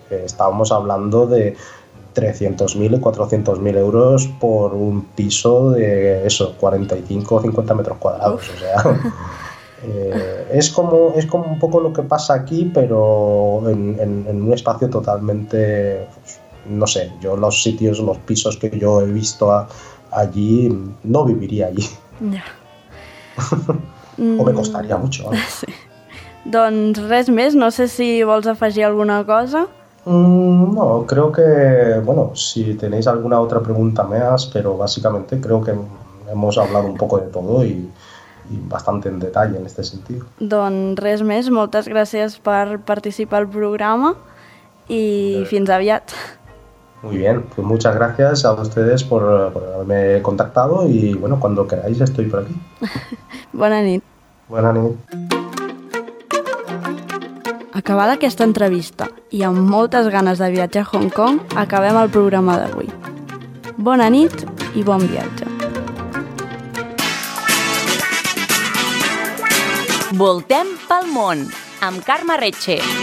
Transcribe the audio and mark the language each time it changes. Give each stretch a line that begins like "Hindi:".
Spanish: Estábamos hablando de 300.000 y 400.000 euros por un piso de eso, 45 o 50 metros cuadrados, o sea... es como un poco lo que pasa aquí, pero en un espacio totalmente, pues, no sé, yo los sitios, los pisos que yo he visto allí, no viviría allí. Ya. O me costaría mucho. ¿Vale? Sí.
Catalan: Doncs res més, no sé si vols afegir alguna cosa.
Spanish: No, creo que, bueno, si tenéis alguna otra pregunta más, pero básicamente creo que hemos hablado un poco de todo
Catalan: i bastant en detall en aquest sentit. Doncs res més, moltes gràcies per participar al programa i fins aviat.
Spanish: Muy bien, pues muchas gracias a ustedes por haberme contactado y bueno, cuando queráis estoy por aquí.
Catalan: Bona nit. Bona nit. Acabada aquesta entrevista i amb moltes ganes de viatjar a Hong Kong, acabem el programa d'avui. Bona nit i bon viatge. Voltem pel món, amb Carme Retxer.